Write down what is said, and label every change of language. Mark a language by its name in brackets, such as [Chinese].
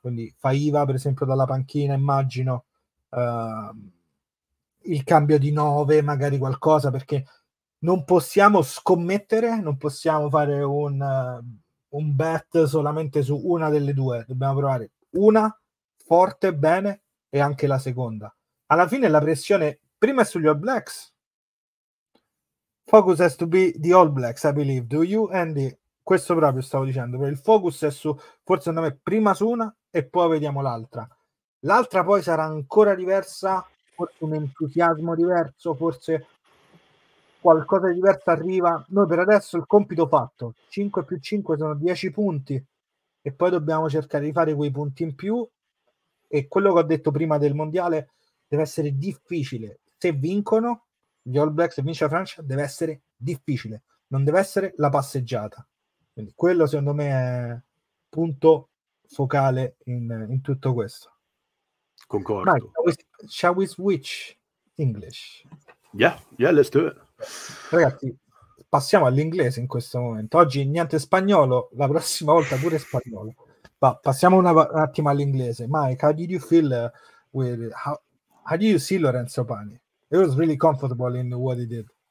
[Italian] Quindi Faiva, per esempio, dalla panchina, immagino il cambio di 9, magari qualcosa, perché non possiamo scommettere, non possiamo fare un bet solamente su una delle due. Dobbiamo provare una forte, bene, e anche la seconda. Alla fine la pressione prima è sugli All Blacks. [English] Focus has to be the All Blacks, I believe. Do you, Andy? [Italian] Questo proprio stavo dicendo. Il focus è su, forse andiamo prima su una e poi vediamo l'altra. L'altra poi sarà ancora diversa, forse un entusiasmo diverso, forse qualcosa di diverso arriva. Noi per adesso il compito fatto, 5 più 5 sono 10 punti, e poi dobbiamo cercare di fare quei punti in più. E quello che ho detto prima del mondiale, deve essere difficile. Se vincono gli All Blacks e vince la Francia, deve essere difficile, non deve essere la passeggiata. Quindi quello secondo me è punto focale in tutto questo. Concordo. Mike, [English] shall we switch English? Yeah, let's do it. [Italian] Ragazzi, passiamo all'inglese in questo momento. Oggi niente spagnolo, la prossima volta pure spagnolo. Ma passiamo un attimo all'inglese. [English] Mike, how did you feel with how did you see Lorenzo Pani? It was really comfortable in what he did.